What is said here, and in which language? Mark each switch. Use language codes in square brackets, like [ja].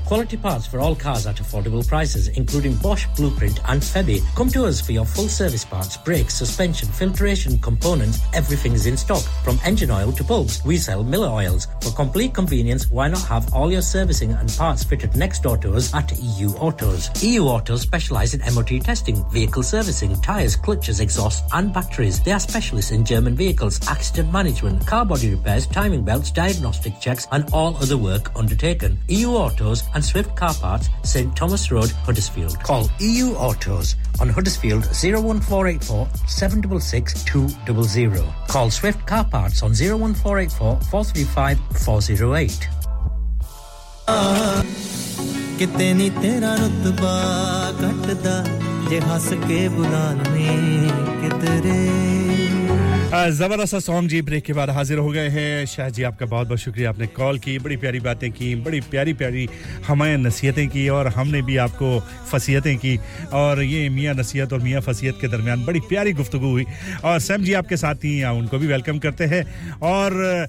[en] Quality parts for all cars at affordable prices including Bosch Blueprint and Febi come to us for your full service parts brakes suspension filtration components everything is in stock from engine oil to bulbs we sell Miller oils for complete convenience why not have all your servicing and parts fitted next door to us at EU Autos EU Autos specialize in MOT testing, vehicle servicing, tyres, clutches, exhausts and batteries. They are specialists in German vehicles, accident management, car body repairs, timing belts, diagnostic checks and all other work undertaken. EU Autos and Swift Car Parts, St. Thomas Road, Huddersfield. Call EU Autos on Huddersfield 01484 766 200. Call Swift Car Parts on 01484 435 408. [pa] ਕਿਤੇ ਤੇਰਾ ਰੁਤਬਾ ਘਟਦਾ ਜੇ ਹੱਸ ਕੇ ਬੁਲਾਵੇਂ ਕਿਤਰੇ [hi] जबरदस्त song जी break के बाद हाजिर हो गए हैं शाह जी आपका बहुत बहुत शुक्रिया आपने कॉल की बड़ी प्यारी बातें की बड़ी प्यारी प्यारी हमें नसीहतें की और हमने भी आपको फसीहतें की और ये मियां नसीहत और मियां फसीहत के दरमियान बड़ी प्यारी गुफ्तगू हुई और सैम जी आपके साथ ही हैं उनको भी वेलकम करते हैं और